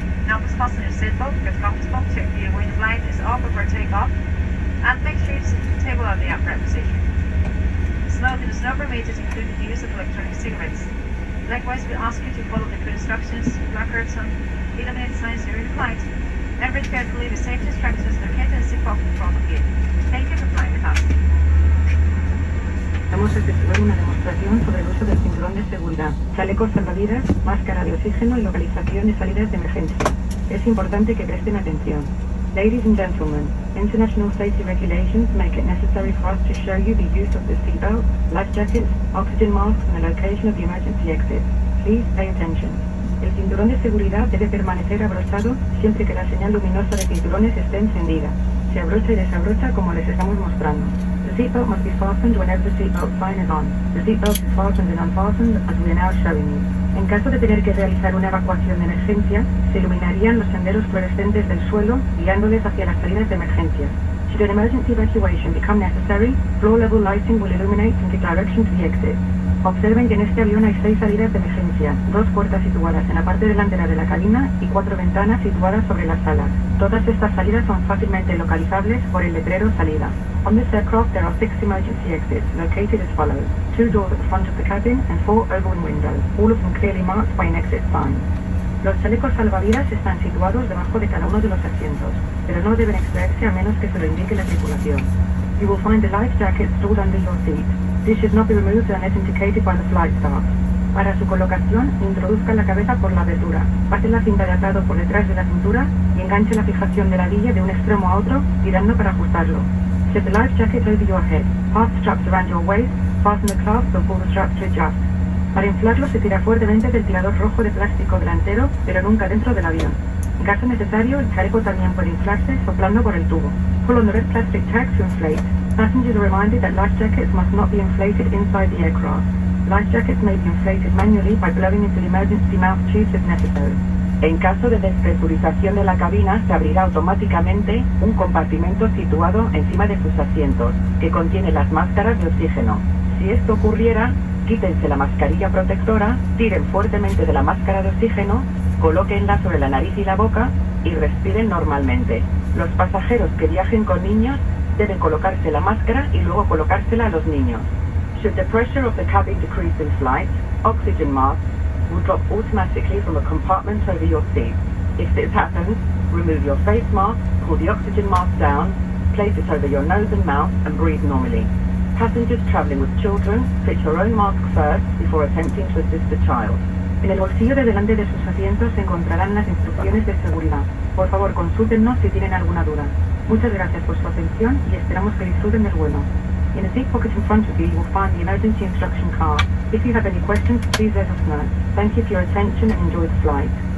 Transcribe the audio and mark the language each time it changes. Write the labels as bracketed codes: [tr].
[en] Now please fasten your seatbelt, get comfortable, check the wind light is off before takeoff, and make sure you sit at the table at the upright position. Smoking is not permitted, including the use of electronic cigarettes. Likewise, we ask you to follow the crew instructions, placards, and illuminated signs during the flight, and read carefully the safety instructions located in the seatbelt in front of you. Thank you for flying with us. [es] Vamos a efectuar una demostración sobre el uso del cinturón de seguridad, chalecos salvavidas, máscara de oxígeno y localización y salidas de emergencia. Es importante que presten atención. [en] Ladies and gentlemen, international safety regulations make it necessary for us to show you the use of the seatbelt, life jackets, oxygen masks and the location of the emergency exit. Please pay attention. [es] El cinturón de seguridad debe permanecer abrochado siempre que la señal luminosa de cinturones esté encendida. Se abrocha y desabrocha como les estamos mostrando. [en] The seatbelt must be fastened whenever the seatbelt sign is on. The seatbelt is fastened and unfastened as we are now showing you. [es] En caso de tener que realizar una evacuación de emergencia, se iluminarían los senderos fluorescentes del suelo, guiándoles hacia las salidas de emergencia. [en] Should an emergency evacuation become necessary, floor level lighting will illuminate in the direction to the exit. [es] Observen que en este avión hay 6 salidas de emergencia, 2 puertas situadas en la parte delantera de la cabina y 4 ventanas situadas sobre las alas. Todas estas salidas son fácilmente localizables por el letrero salida. [en] On this aircraft there are 6 emergency exits located as follows. 2 doors at the front of the cabin and 4 overhead windows, all of them clearly marked by an exit sign. [es] Los chalecos salvavidas están situados debajo de cada uno de los asientos, pero no deben extraerse a menos que se lo indique la tripulación. [en] You will find the life jacket stored under your seat. This should not be removed unless indicated by the flight staff. [es] Para su colocación, introduzca la cabeza por la abertura, pase la cinta de atado por detrás de la cintura y enganche la fijación de la guía de un extremo a otro, girando para ajustarlo. [en] Set the life jacket over your head. Pass the straps around your waist. Fasten the clasp before the straps adjust. [es] Para inflarlo, se tira fuertemente el ventilador rojo de plástico delantero, pero nunca dentro del avión. En caso necesario, el chaleco también puede inflarse soplando por el tubo. [en] Pull on the red plastic tag to inflate. Passengers are reminded that life jackets must not be inflated inside the aircraft. Life jackets may be inflated manually by blowing into the emergency mouth tubes if necessary. [es] En caso de despresurización de la cabina, se abrirá automáticamente un compartimento situado encima de sus asientos, que contiene las máscaras de oxígeno. Si esto ocurriera, quítense la mascarilla protectora, tiren fuertemente de la máscara de oxígeno, colóquenla sobre la nariz y la boca y respiren normalmente. Los pasajeros que viajen con niños deben colocarse la máscara y luego colocársela a los niños. [en] Should the pressure of the cabin decrease in flight, oxygen masks will drop automatically from a compartment over your seat. If this happens, remove your face mask, pull the oxygen mask down, place it over your nose and mouth and breathe normally. Passengers traveling with children, fit your own mask first before attempting to assist the child. [es] En el bolsillo de delante de sus asientos se encontrarán las instrucciones de seguridad. Por favor, consúltennos si tienen alguna duda. Muchas gracias por su atención y esperamos que disfruten del vuelo. [en] In a seat pocket in front of you, you will find the emergency instruction card. If you have any questions, please let us know. Thank you for your attention and enjoy the flight.